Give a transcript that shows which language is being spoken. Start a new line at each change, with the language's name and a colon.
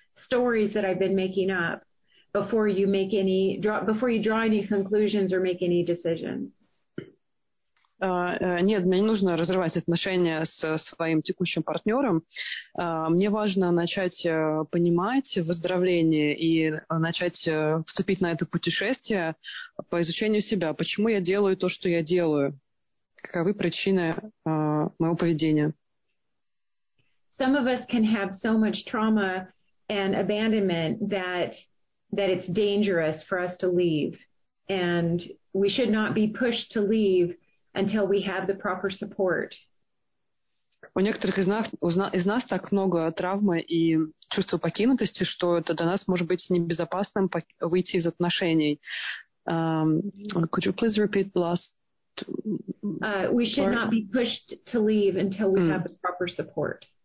English: stories that I've been making up before you make any before you draw any conclusions or make any decisions.
Russian: Нет, мне не нужно разрывать отношения со своим текущим партнером. Мне важно начать понимать выздоровление и начать вступить на это путешествие по изучению себя. Почему я делаю то, что я делаю? Каковы причины моего поведения?
English: Some of us can have so much trauma and abandonment that it's dangerous for us to leave. And we should not be pushed to leave until we have the proper support.
Russian: У некоторых из нас так много травмы и чувства покинутости, что это для нас может быть небезопасным выйти из отношений.
English: Could you please repeat the last? We should not be pushed to leave until we have the proper support.